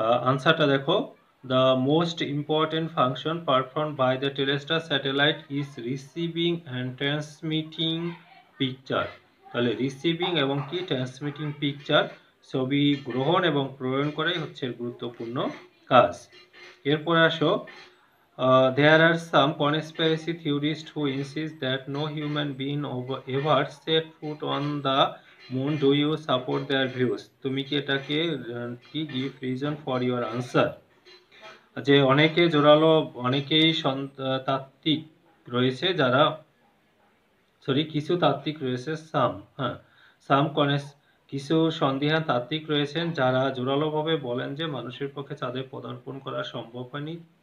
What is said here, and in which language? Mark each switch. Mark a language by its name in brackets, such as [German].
[Bangla] আনসারটা দেখো, [English] the most important function perform by the Telstar satellite is receiving and transmitting picture, [Bangla] তাহলে receiving এবং কি ট্রান্সমিটিং পিকচার, ছবি গ্রহণ এবং প্রেরণ করাই হচ্ছে গুরুত্বপূর্ণ কাজ। এরপরে আসো, [English] There are some conspiracy theorists who insist that no human being ever set foot on the moon. Do you support their views? [Bangla] তুমি কি এটাকে কি [English] Give reason for your answer? [Bangla] যে অনেকে জোরালো, অনেকেই তাত্ত্বিক রয়েছে যারা, সরি, কিছু তাত্ত্বিক রয়েছে, সাম, হ্যাঁ, [English] some কনেস, [Bangla] কিছু সন্দিহান তাত্ত্বিক রয়েছেন যারা জোরালোভাবে বলেন যে মানুষের পক্ষে চাঁদে পদার্পণ করা সম্ভব হয়নি।